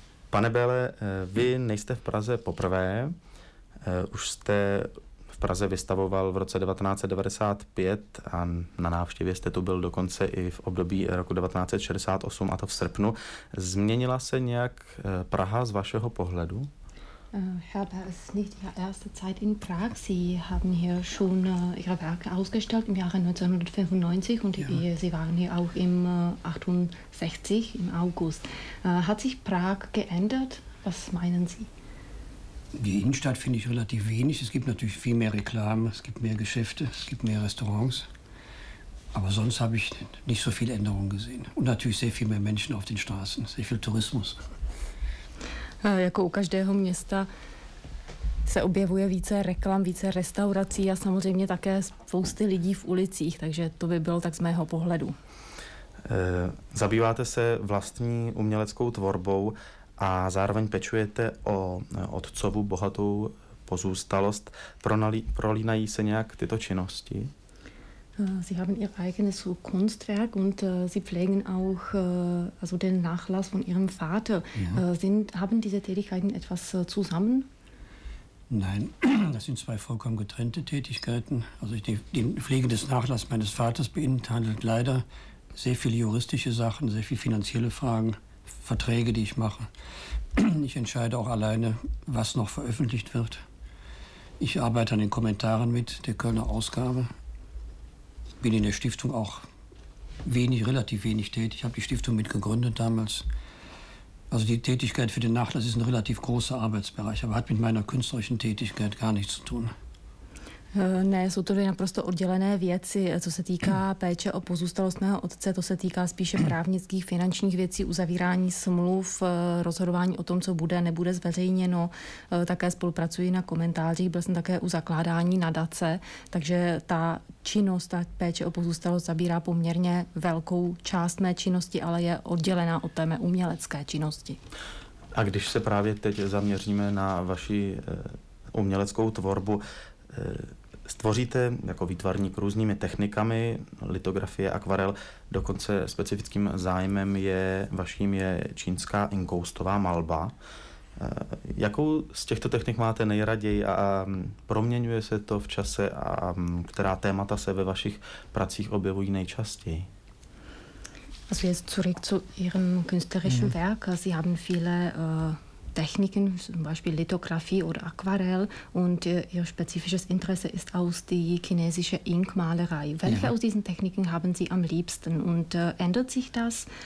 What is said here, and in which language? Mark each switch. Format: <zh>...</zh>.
<cs>Pane Böle, vy nejste v Praze poprvé. Už jste v Praze vystavoval v roce 1995 a na návštěvě jste tu byl dokonce i v období roku 1968, a to v srpnu. Změnila se nějak Praha z vašeho pohledu?</cs> <de>Herr Böll, es ist nicht Ihre erste Zeit in Prag. Sie haben hier schon Ihre Werke ausgestellt im Jahre 1995 und Sie waren hier auch im 68, im August. Hat sich Prag geändert? Was meinen Sie? Die Innenstadt finde ich relativ wenig. Es gibt natürlich viel mehr Reklame, es gibt mehr Geschäfte, es gibt mehr Restaurants. Aber sonst habe ich nicht so viele Änderungen gesehen. Und natürlich sehr viel mehr Menschen auf den Straßen, sehr viel Tourismus.</de> <cs>Jako u každého města se objevuje více reklam, více restaurací a samozřejmě také spousty lidí v ulicích, takže to by bylo tak z mého pohledu. Zabýváte se vlastní uměleckou tvorbou a zároveň pečujete o otcovu bohatou pozůstalost. Prolínají se nějak tyto činnosti?</cs> <de>Sie haben ihr eigenes Kunstwerk und sie pflegen auch also den Nachlass von ihrem Vater. Ja. Haben diese Tätigkeiten etwas zusammen? Nein, das sind zwei vollkommen getrennte Tätigkeiten. Also die Pflege des Nachlasses meines Vaters beinhaltet leider sehr viele juristische Sachen, sehr viele finanzielle Fragen, Verträge, die ich mache. Ich entscheide auch alleine, was noch veröffentlicht wird. Ich arbeite an den Kommentaren mit der Kölner Ausgabe. Bin in der Stiftung auch wenig, relativ wenig tätig. Ich habe die Stiftung mitgegründet damals. Also die Tätigkeit für den Nachlass ist ein relativ großer Arbeitsbereich, aber hat mit meiner künstlerischen Tätigkeit gar nichts zu tun.</de> <cs>Ne, jsou to naprosto oddělené věci, co se týká péče o pozůstalost mého otce, to se týká spíše právnických, finančních věcí, uzavírání smluv, rozhodování o tom, co bude, nebude zveřejněno. Také spolupracuji na komentářích, byl jsem také u zakládání nadace, takže ta činnost, ta péče o pozůstalost zabírá poměrně velkou část mé činnosti, ale je oddělená od té mé umělecké činnosti. A když se právě teď zaměříme na vaši uměleckou tvorbu, stvoříte jako výtvarník různými technikami, litografie, akvarel, dokonce specifickým zájmem je čínská inkoustová malba. Jakou z těchto technik máte nejraději a proměňuje se to v čase a která témata se ve vašich pracích objevují nejčastěji?</cs> <de>Also jetzt zurück zu Ihrem künstlerischen Werk. Sie haben viele Techniken, zum Beispiel Lithografie oder Aquarell, und Ihr spezifisches Interesse ist aus die chinesische Inkmalerei. Welche aus diesen Techniken haben Sie am liebsten und ändert sich das?</de>